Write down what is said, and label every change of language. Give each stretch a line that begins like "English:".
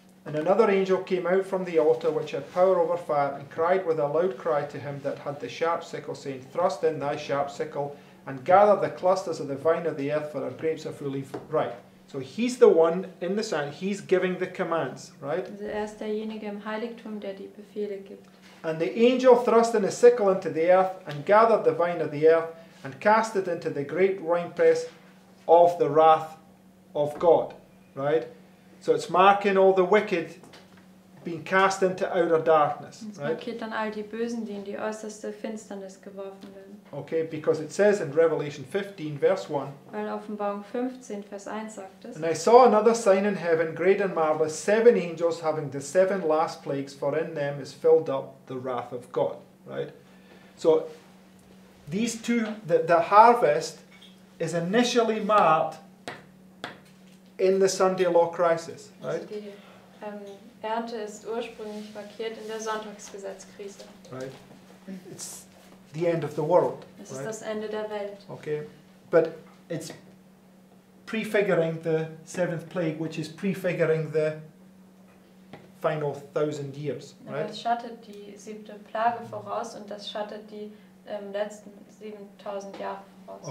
English: And another angel came out from the altar, which had power over fire, and cried with a loud cry to him that had the sharp sickle, saying, thrust in thy sharp sickle, and gather the clusters of the vine of the earth, for our grapes are fully ripe. So he's the one in the sand, he's giving the commands, right?
German: Also er ist derjenige im Heiligtum, der die Befehle gibt.
English: And the angel thrust in his sickle into the earth, and gathered the vine of the earth, and cast it into the great winepress of the wrath of God, right? So it's marking all the wicked being cast into outer darkness.
German: Es markiert dann all die Bösen, die in die äußerste Finsternis geworfen werden.
English: Okay, because it says in Revelation 15, verse 1.
German: Weil Offenbarung 15, Vers 1 sagt es.
English: And I saw another sign in heaven, great and marvelous, seven angels having the seven last plagues, for in them is filled up the wrath of God. Right? So these two, the harvest is initially marked in the Sunday Law Crisis, right?
German: Die Ernte ist ursprünglich markiert in der Sonntagsgesetzkrise.
English: Right. It's the end of the world.
German: Es ist das Ende der Welt.
English: Okay. But it's prefiguring the seventh plague, which is prefiguring the final 1,000 years, right?
German: Es schattet die siebte Plage voraus und das schattet die letzten 7,000 Jahre voraus.